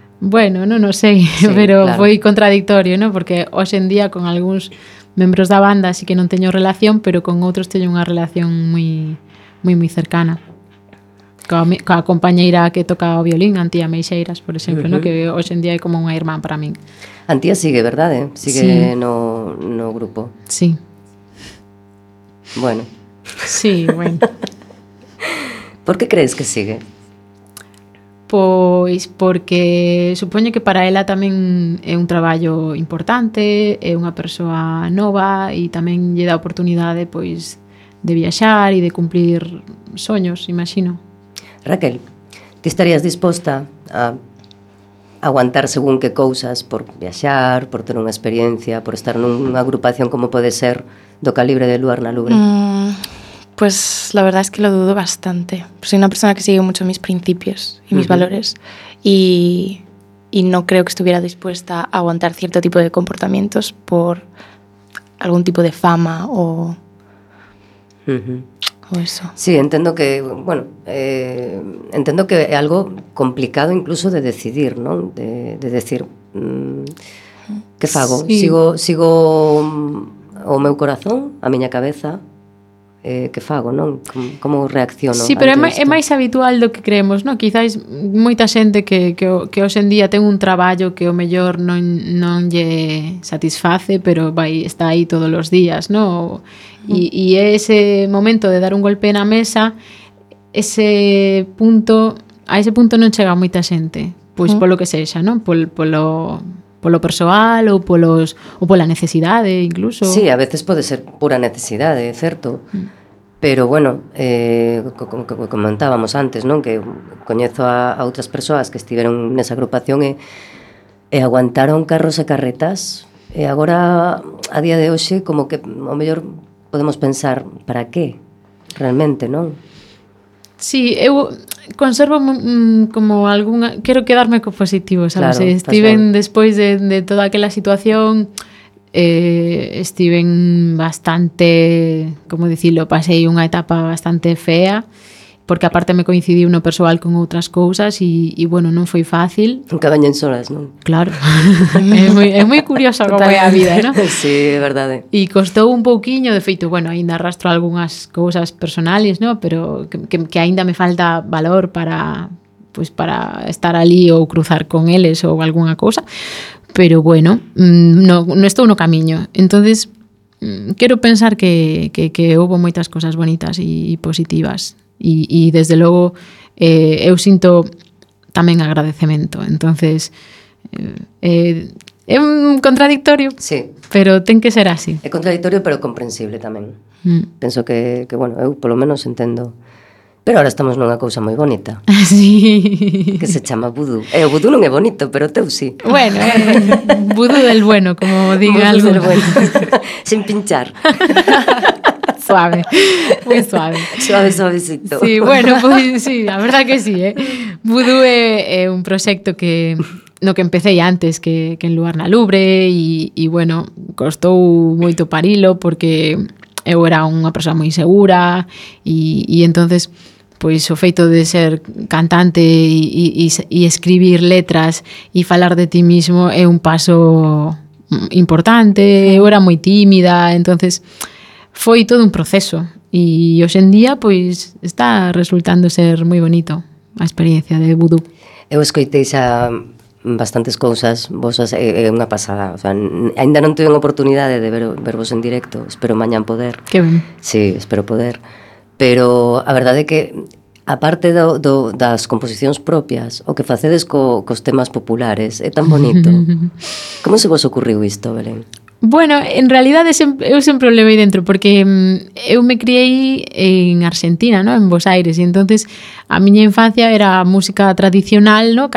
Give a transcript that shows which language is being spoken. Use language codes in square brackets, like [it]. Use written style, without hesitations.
[gl] Bueno, non sei, sí, pero claro. Foi contradictorio, ¿no? Porque hoxe en día con algúns membros da banda sí que non teño relación, pero con outros teño unha relación moi cercana. Coa compañeira que toca o violín, Antía Meixeiras, por exemplo, uh-huh. ¿no? Que hoxe en día é como unha irmá para min. Antía sigue, verdade? Sigue sí. no grupo. Sí. Bueno. Sí, bueno. Por que crees que sigue? Pois porque supoño que para ela tamén é un traballo importante, é unha persoa nova e tamén lle dá oportunidade pois de viaxar e de cumplir soños, imagino. Raquel, ti estarías disposta a aguantar según que cousas por viaxar, por ter unha experiencia, por estar nunha agrupación como pode ser do calibre de Luar na Lubre? [es] Pues la verdad es que lo dudo bastante. Soy una persona que sigue mucho mis principios y mis valores y no creo que estuviera dispuesta a aguantar cierto tipo de comportamientos por algún tipo de fama o... O eso. [gl] Sí, entendo que é algo complicado incluso de decidir, non? De decir que fago, sí. sigo o meu corazón, a miña cabeza, que fago, non? Como reacciono? Sí, pero é máis habitual do que creemos, non? Quizás moita xente que hoxe en día ten un traballo que o mellor non lle satisface, pero vai está aí todos os días, non? E ese momento de dar un golpe na mesa, a ese punto non chega moita xente, pois polo que sexa, non? Polo persoal ou pola necesidade, incluso. Sí, a veces pode ser pura necesidade, é certo. Pero bueno, como comentábamos antes, non? Que coñezo a outras persoas que estiveron nesa agrupación e aguantaron carros e carretas. E agora, a día de hoxe, como que o mellor podemos pensar para qué realmente, non? Sí, eu conservo como alguna, quero quedarme co positivo, sabes? Claro, estiven despois de toda aquela situación estiven bastante, como dicilo, pasei unha etapa bastante fea, porque aparte me coincidiu no persoal con outras cousas e bueno, non foi fácil. [es] Nunca bañen solas, non? [gl] Claro. é moi curioso como é a vida, non? Sí, é verdade. E costou un pouquiño, de feito, bueno, aínda arrastro algunhas cousas personales, non? Pero que aínda me falta valor para estar ali ou cruzar con eles ou algunha cousa. Pero bueno, non estou no camiño. Entonces, quero pensar que houve moitas cousas bonitas e positivas. E desde logo eu sinto tamén agradecemento. Entonces, é un contradictorio. Sí. Pero ten que ser así. É contradictorio, pero comprensible tamén. Penso que bueno, eu polo menos entendo. Pero ahora estamos nunha cousa moi bonita. Sí. Que se chama vudú. O vudú non é bonito, pero teu sí. [es] Bueno, vudú del bueno, como diga algo. Vudú del bueno. Sin pinchar. Suave, muy suave. Suave, suavecito. Sí, bueno, pues sí, la verdad que sí, ¿eh? Vudú es un proyecto que, no que empecé ya antes que en Luar na Lubre y bueno, costó mucho parilo porque yo era una persona muy insegura y entonces, pues, [gl] o feito de [es] ser cantante y escribir letras y [gl] falar [es] de ti mismo es un paso importante, yo era muy tímida, entonces... [gl] foi todo un proceso e hoxendía pois está resultando ser moi bonito a experiencia de vudú. Eu escoitei xa bastantes cousas vosas, é unha pasada, o sea, aínda non tuve oportunidade de vervos en directo, espero mañan poder. Que ben. Sí, espero poder. Pero a verdade é que aparte das composicións propias, o que facedes cos temas populares é tan bonito. Como se vos ocurriu isto, Belén? Bueno, en realidad eu sempre o levo aí dentro, porque eu me criei en Argentina, ¿no? En Buenos Aires, e entonces a miña infancia era música tradicional, ¿no?